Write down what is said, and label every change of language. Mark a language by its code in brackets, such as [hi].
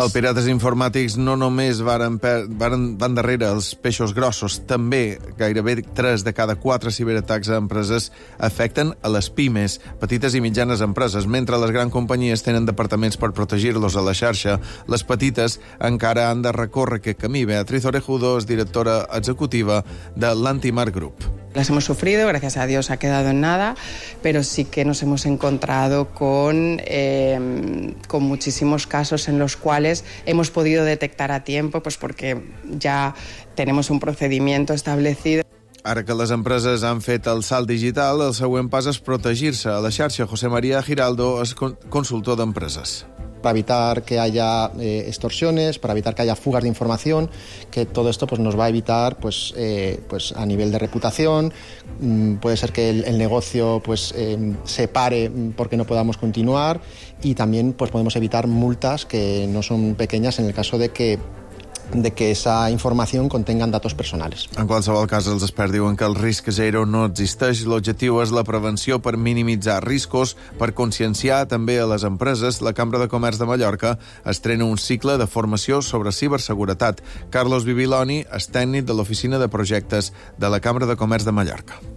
[ca] Els pirates informàtics no només van darrere els peixos grossos, també gairebé 3 de cada 4 ciberatacs a empreses afecten a les pimes, petites i mitjanes empreses. Mentre les grans companyies tenen departaments per protegir-los a la xarxa, les petites encara han de recórrer aquest camí. Beatriz Orejudo és directora executiva de l'Antimark Group. [es] Las hemos sufrido, gracias a Dios ha quedado en nada, pero sí que nos hemos encontrado con muchísimos casos en los cuales hemos podido detectar a tiempo, pues porque ya tenemos un procedimiento establecido. [ca] Ara que les empreses han fet el salt digital, el següent pas és protegir-se. A la xarxa, José María Giraldo és consultor d'empreses. [es] Para evitar que haya extorsiones, para evitar que haya fugas de información, que todo esto pues, nos va a evitar pues, pues, a nivel de reputación. Puede ser que el negocio pues, se pare porque no podamos continuar y también pues, podemos evitar multas que no son pequeñas en el caso de que esa información contenga datos personales. [ca] En qualsevol cas, els experts diuen que el risc zero no existeix. L'objectiu és la prevenció per minimitzar riscos, per conscienciar també a les empreses. La Cambra de Comerç de Mallorca estrena un cicle de formació sobre ciberseguretat. Carlos Bibiloni és tècnic de l'Oficina de Projectes de la Cambra de Comerç de Mallorca.